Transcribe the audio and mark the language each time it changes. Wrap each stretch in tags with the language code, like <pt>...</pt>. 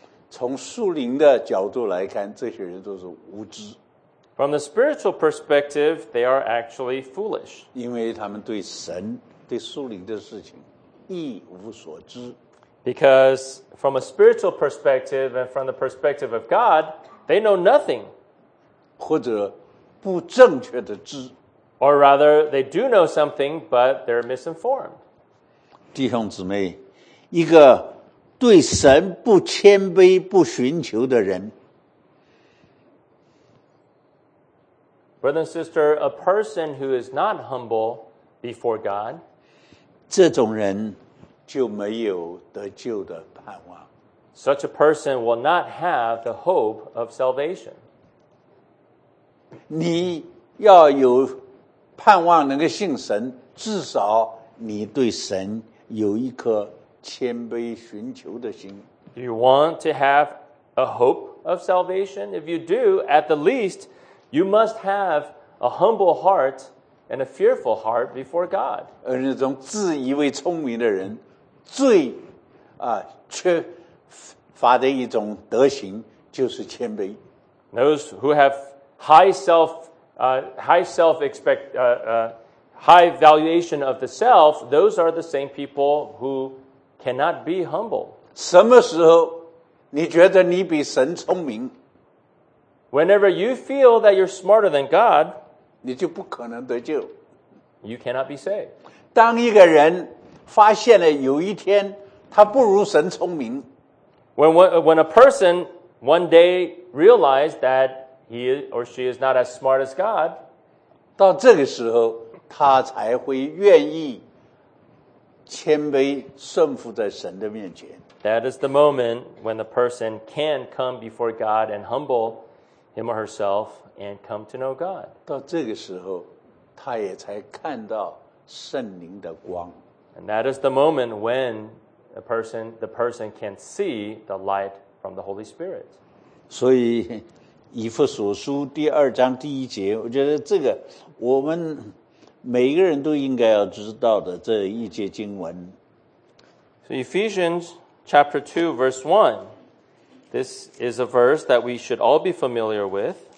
<zh>从属灵的角度来看，这些人都是无知。</zh> <en>From the spiritual perspective, they are actually foolish.</en> <zh>因为他们对神、对属灵的事情一无所知。</zh> <en>Because from a spiritual perspective and from the perspective of God, they know nothing.</en> <zh>或者不正确的知</zh> <en>Or rather, they do know something, but they're misinformed.</en> <zh>弟兄姊妹，一个对神不谦卑、不寻求的人。</zh> <en>Brother and sister, a person who is not humble before God,</en> <zh>这种人就没有得救的盼望。</zh> <en>Such a person will not have the hope of salvation.</en> <zh>你要有盼望能够信神，至少你对神有一颗谦卑寻求的心。</zh> <en>Do you want to have a hope of salvation? If you do, at the least, you must have a humble heart and a fearful heart before God.</en> <zh>而那种自以为聪明的人，最缺乏的一种德行就是谦卑。</zh> <en>Those who have high valuation of the self, those are the same people who cannot be humble.</en> <zh>什么时候你觉得你比神聪明？</zh> <en>Whenever you feel that you're smarter than God,</en> <zh>你就不可能得救。</zh> <en>You cannot be saved.</en> <zh>当一个人发现了有一天他不如神聪明，</zh> <en>When a person one day realized that he or she is not as smart as God,</en> <zh>到这个时候他才会愿意谦卑顺服在神的面前。</zh> <en>That is the moment when the person can come before God and humble him or herself and come to know God.</en> <zh>到这个时候他也才看到圣灵的光。</zh> <en>And that is the moment when the person can see the light from the Holy Spirit.</en> <zh>所以以弗所书第二章第一节，我觉得这个我们每一个人都应该要知道的这一节经文。</zh> <en>So Ephesians chapter 2 verse 1. This is a verse that we should all be familiar with.</en>